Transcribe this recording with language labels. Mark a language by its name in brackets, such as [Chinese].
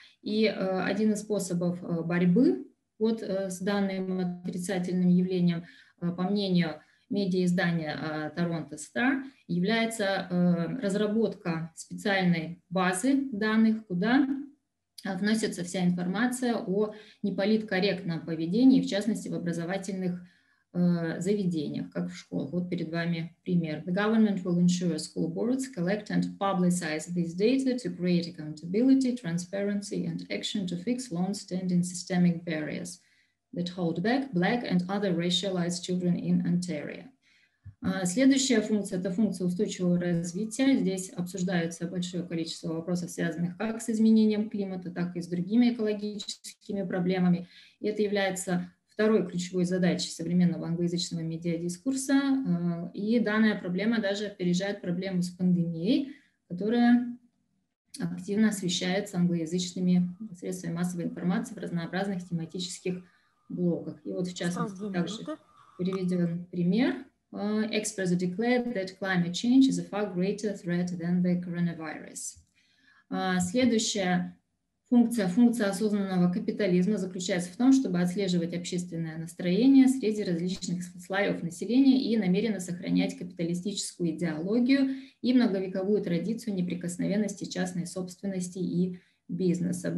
[Russian] И один из способов борьбы вот с данным отрицательным явлением, по мнению медиа-издания Toronto Star, является разработка специальной базы данных, куда вносится вся информация о неполиткорректном поведении, в частности, в образовательных заведениях, как в школах. Вот перед вами пример. [English] The government will ensure school boards collect and publicize this data to create accountability, transparency and action to fix long-standing systemic barriers that hold back black and other racialized children in Ontario. [Russian] Следующая функция – это функция устойчивого развития. Здесь обсуждается большое количество вопросов, связанных как с изменением климата, так и с другими экологическими проблемами. И это является второй ключевой задачей современного англоязычного медиадискурса. И данная проблема даже опережает проблему с пандемией, которая активно освещается англоязычными средствами массовой информации в разнообразных тематических блоках. И вот в частности также приведен пример. [English] Experts declared that climate change is a far greater threat than the coronavirus. [Russian] Следующая функция, функция осознанного капитализма заключается в том, чтобы отслеживать общественное настроение среди различных слоев населения и намеренно сохранять капиталистическую идеологию и многовековую традицию неприкосновенности частной собственности и бизнеса.